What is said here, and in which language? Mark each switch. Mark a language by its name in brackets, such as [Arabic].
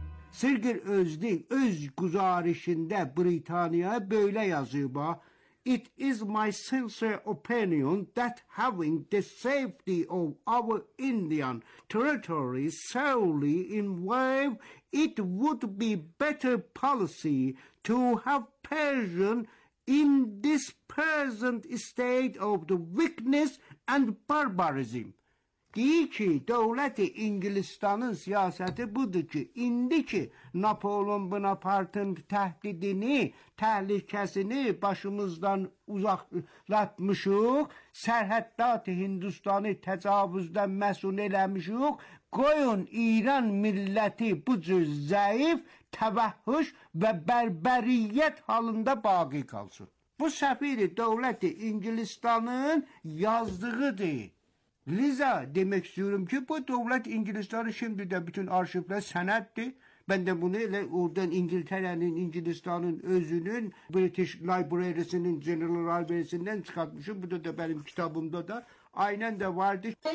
[Azerbaijani] Sergir Özdil öz güzarişində Britaniyaya böyle yazıb: [English] "It is my sincere opinion that having the safety of our Indian territory solely in view, it would be better policy to have Persian in this present state of the weakness and barbarism." [Azerbaijani] Deyir ki, dövləti İngilistanın siyasəti budur ki, indi ki Napoleon Bonapartın təhdidini, təhlükəsini başımızdan uzaqlatmışıq, sərhəddat Hindistanı təcavüzdən məsun eləmişıq, qoyun İran milləti bu cür zəif, təvəhhüş və bərbəriyyət halında baqi qalsın. Bu səfiri dövləti İngilistanın yazdığıdır. [Turkish] Liza, demek istiyorum ki bu devlet İngilistan'ın şimdi de bütün arşivler senettir. Ben de bunu ile oradan İngiltere'nin, İngilistan'ın özünün British Library'sinin General Library'sinden çıkartmışım. Burada da benim kitabımda da aynen de vardır.